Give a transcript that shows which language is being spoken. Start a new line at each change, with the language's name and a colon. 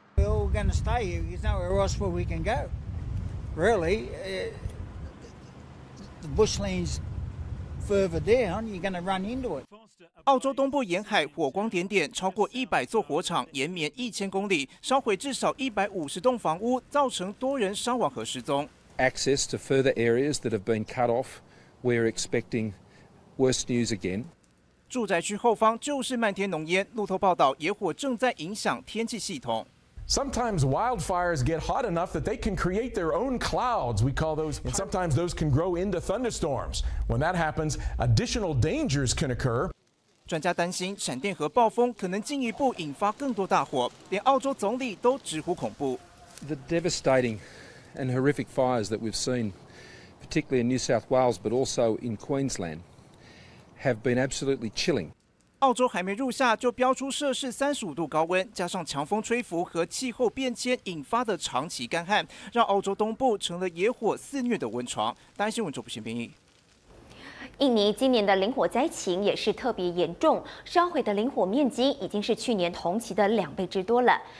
English: We're all going to stay here. There's nowhere else where we can go. Really, the bushland's further down. You're going to run into it.
Chinese: 澳洲东部沿海火光点点，超过100座火场，延绵1000公里，烧毁至少150栋房屋，造成多人伤亡和失踪。
English: Access to further areas that have been cut off, we're expecting. Worst news again.
Chinese: 住宅区后方就是漫天浓烟。路透报道，野火正在影响天气系统。
English: Sometimes wildfires get hot enough that they can create their own clouds. We call those, and sometimes those can grow into thunderstorms. When that happens, additional dangers can occur.
Chinese: 专家担心闪电和暴风可能进一步引发更多大火，连澳洲总理都直呼恐怖。
English: The devastating and horrific fires that we've seen, particularly in New South Wales, but also in Queensland, have been absolutely chilling.
Chinese: 澳洲还没入夏就飙出摄氏35度高温，加上强风吹拂和气候变迁引发的长期干旱，让澳洲东部成了野火肆虐的温床。大新闻主播邢平义。印尼今年的林火灾情也是特别严重，烧毁的林火面积已经是去年同期的2倍之多了。